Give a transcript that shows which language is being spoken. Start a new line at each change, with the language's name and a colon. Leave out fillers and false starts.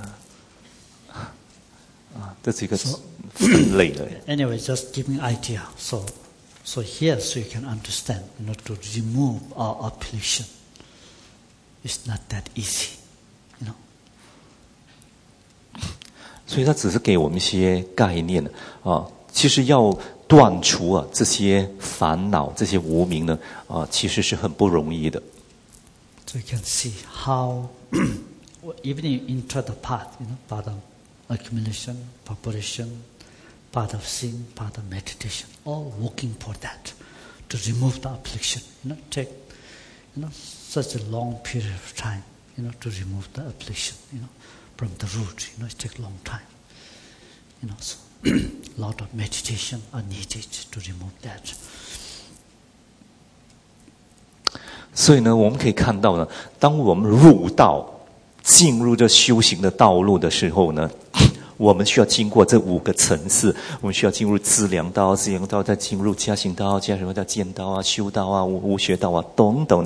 English: Yeah. That's because Anyway, just giving idea. So here, so you can understand, you know, to remove our affliction is not that easy, you know.
Chinese: 所以他只是给我们一些概念啊，其实要断除啊这些烦恼、这些无明呢啊，其实是很不容易的。
English: So you can see how even in the part, you know, part of accumulation, preparation, part of sin, part of meditation, all working for that to remove the affliction. You know, take you know such a long period of time, you know, to remove the affliction, you know. From the root, you know, it takes a long time. You know, so a lot of meditation are needed to remove that.
Chinese: 所以呢，我们可以看到呢，当我们入道，进入这修行的道路的时候呢，我们需要经过这五个层次，我们需要进入资粮道、资粮道，再进入加行道、加什么叫见道啊、修道啊、无学道啊等等。